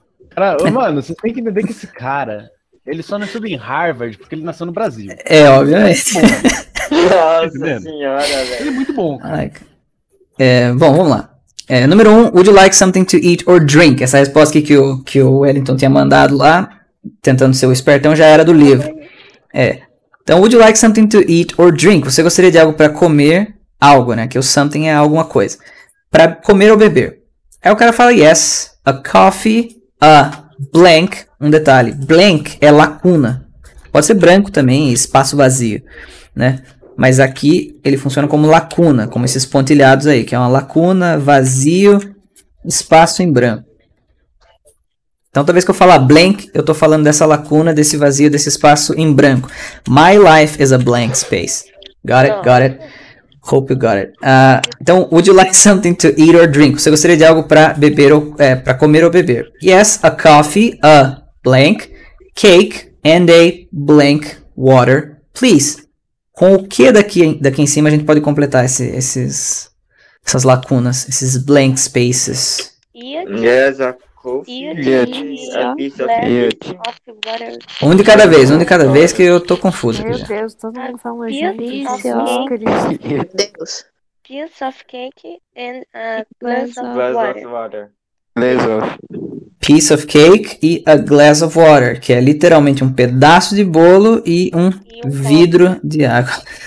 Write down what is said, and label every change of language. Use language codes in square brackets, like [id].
[pt] Cara, mano, você tem que entender que esse cara, ele só nasceu em Harvard, porque ele nasceu no Brasil. É, obviamente. Nossa senhora, velho. Ele é muito bom, cara. Like. É, bom, vamos lá. É, número 1, [en] would you like something to eat or drink? [pt] Essa resposta aqui que o Wellington tinha mandado lá, tentando ser o espertão, já era do livro. É. Então, [en] would you like something to eat or drink? [pt] Você gostaria de algo para comer algo, né? Que o something é alguma coisa. Para comer ou beber. Aí o cara fala, [en] yes, a coffee, a blank, [pt] um detalhe. Blank é lacuna. Pode ser branco também, espaço vazio, né? Mas aqui ele funciona como lacuna, como esses pontilhados aí, que é uma lacuna, vazio, espaço em branco. Então, toda vez que eu falar blank, eu tô falando dessa lacuna, desse vazio, desse espaço em branco. [en] My life is a blank space. Got it. Hope you got it. [pt] Então, [en] would you like something to eat or drink? [pt] Você gostaria de algo para beber ou para comer ou beber? [en] Yes, a coffee, a blank, cake and a blank water, please. [pt] Com o que daqui em cima a gente pode completar essas lacunas, esses blank spaces? [en] Yes, a coffee, a piece of coffee, water. [pt] Um de cada vez que eu tô confuso aqui. Meu Deus, todo mundo fala isso. [en] Piece of cake and a glass of water. Piece of cake [pt] e [en] a glass of water, [pt] que é literalmente um pedaço de bolo e um vidro de água.